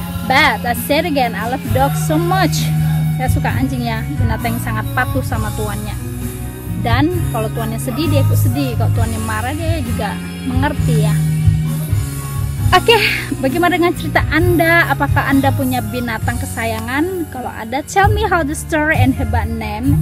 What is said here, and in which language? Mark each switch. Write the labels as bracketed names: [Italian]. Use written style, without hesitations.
[English] But I said again, I love dogs so much. [Indonesian] Saya suka anjing ya, binatang yang sangat patuh sama tuannya. Dan kalau tuannya sedih, dia ikut sedih. Kalau tuannya marah, dia juga mengerti ya. Oke, bagaimana dengan cerita Anda? Apakah Anda punya binatang kesayangan? Kalau ada, [English] tell me how the story and her bad name.